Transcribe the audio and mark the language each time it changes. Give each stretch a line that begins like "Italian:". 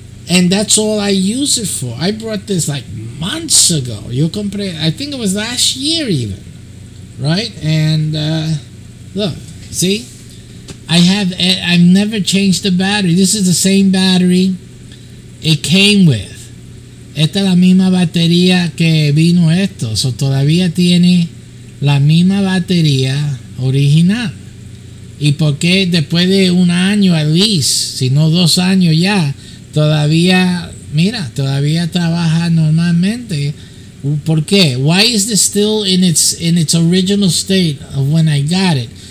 English: And that's all I use it for. I brought this like months ago. You compre? I think it was last year even, right? And look, see, I've never changed the battery. This is the same battery it came with.
Spanish: Esta es la misma batería que vino esto. So todavía tiene la misma batería original. ¿Y por qué después de un año,
English: at least,
Spanish: si no dos años ya, todavía, mira, todavía trabaja normalmente? ¿Por qué?
English: Why is this still in its original state of when I got it?